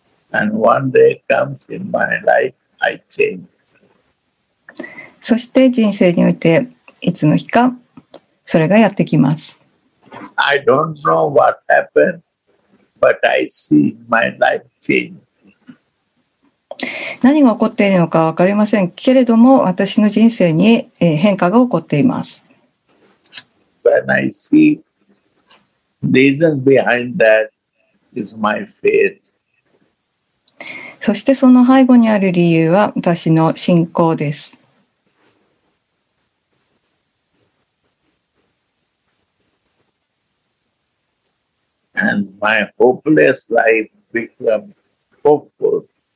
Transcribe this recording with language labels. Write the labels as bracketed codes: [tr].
[en] And one day comes in my life, I change. [ja] そして人生においていつの日かそれがやってきます。 [en] I don't know what happened, but I see my life change. [ja] 何が起こっているのか分かりませんけれども、私の人生に変化が起こっています。 [en] When I see the reason behind that is my faith. [ja] そしてその背後にある理由は私の信仰です。 [en] And my hopeless life become hopeful.